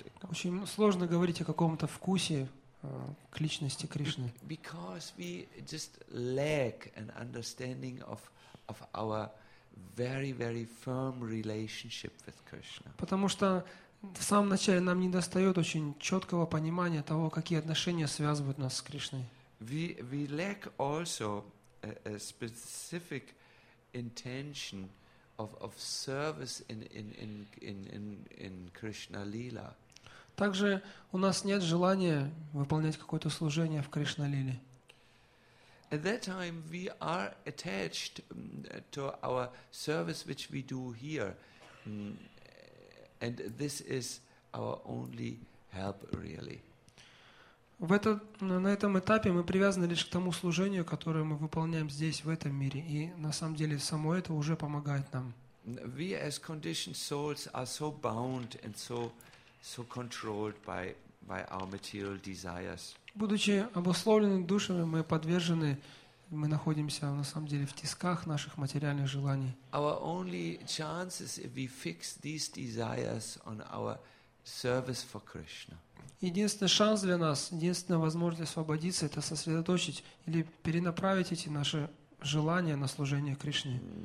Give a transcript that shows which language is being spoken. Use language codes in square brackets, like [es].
[ru] Очень сложно говорить о каком-то вкусе к личности Кришны. [en] Because we just lack an understanding of our very very firm relationship with Krishna. [ru] Потому что в самом начале нам недостает очень четкого понимания того, какие отношения связывают нас с Кришной. [en] We lack also a specific intention of service in Krishna Lila. [ru] Также у нас нет желания выполнять какое-то служение в Кришна Лиле. [en] At that time we are attached to our service which we do here, and this is our only help really. [ru] На этом этапе мы привязаны лишь к тому служению, которое мы выполняем здесь, в этом мире. И на самом деле само это уже помогает нам. [en] We as conditioned souls are so bound and so controlled by our material desires. [ru] Будучи обусловленными душами, мы подвержены, мы находимся на самом деле в тисках наших материальных желаний. [en] Our only chance is if we fix these desires on our service for Krishna. [ru] Единственный шанс для нас, единственная возможность освободиться, это сосредоточить или перенаправить эти наши желания на служение Кришне.